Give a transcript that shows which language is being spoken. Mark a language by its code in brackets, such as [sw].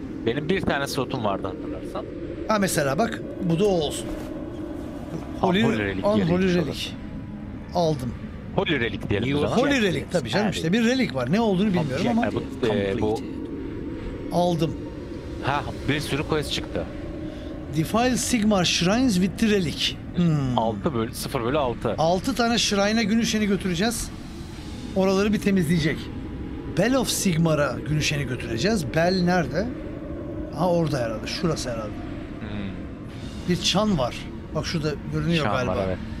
[tr] Benim bir tane slotum vardı hatırlarsan. Ha mesela bak, bu da o olsun. Holy Relic. Aldım. Holy Relic diyelim. Holy Relic tabi canım işte. Bir relik var. Ne olduğunu bilmiyorum ama. Bu. Aldım. Ha, bir sürü quest çıktı. [en] Defile Sigmar Shrines with the Relic. 0/6. [tr] 6 tane shrine'a Gülüşen'i götüreceğiz. Oraları bir temizleyecek. Bell of Sigmar'a Gülüşen'i götüreceğiz. Bell nerede? Ha orada herhalde. Şurası herhalde. Bir çan var. Bak şurada görünüyor çan galiba. Var, evet.